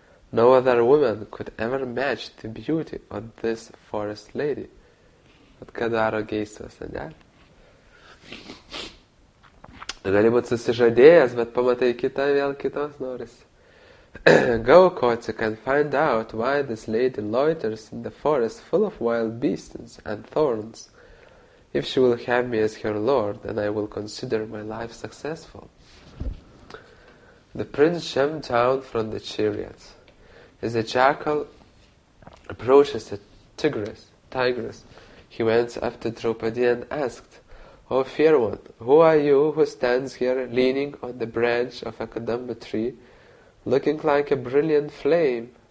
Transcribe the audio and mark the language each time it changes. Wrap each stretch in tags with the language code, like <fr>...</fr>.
<en>No other woman could ever match the beauty of this forest lady.</en> <lt>At ką daro geisvas, ne? Gali būt susižadėjęs, bet pamatai kitą, vėl kitos noris.</lt> <en>Go, Kotick, and find out why this lady loiters in the forest full of wild beasts and thorns. If she will have me as her lord, then I will consider my life successful. The prince jumped down from the chariot. As a jackal approaches a tigress, he went up to Draupadi and asked, "O fair one, who are you who stands here leaning on the branch of a kadamba tree, looking like a brilliant flame?</en>